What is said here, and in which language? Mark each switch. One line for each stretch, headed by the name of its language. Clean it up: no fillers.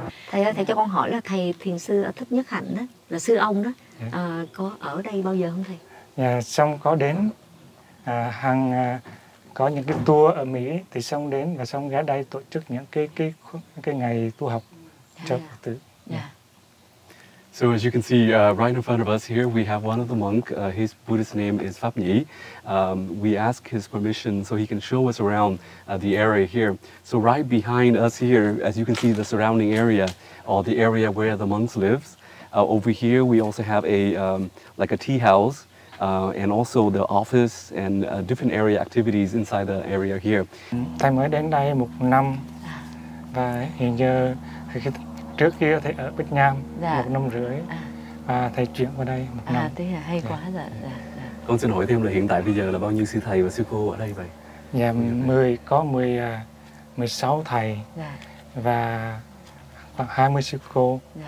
Vietnamese: Thầy ơi, thầy cho con hỏi là thầy thiền sư ở Thích Nhất Hạnh đó, là sư ông đó. Có ở đây bao giờ không thầy? Dạ, xong có đến hàng có những cái tour ở Mỹ thì xong đến và xong ghé đây tổ chức những cái ngày tu học cho Phật tử.
English: So as you can see right in front of us here we have one of the monk. His Buddhist name is Pháp Nhĩ. We ask his permission so he can show us around the area here. So right behind us here, as you can see, the surrounding area or the area where the monks lives. Over here, we also have a tea house, and also the office and different area activities inside the area here.
Vietnamese: Thầy mới đến đây một năm, và hiện giờ trước kia thầy ở Bích Nham một năm rưỡi, và thầy chuyển qua đây một năm. Thế là hay quá rồi. Con xin hỏi thêm là hiện tại bây giờ là bao nhiêu sư thầy và sư cô ở đây vậy? Dạ, mười sáu thầy và khoảng 20 sư cô.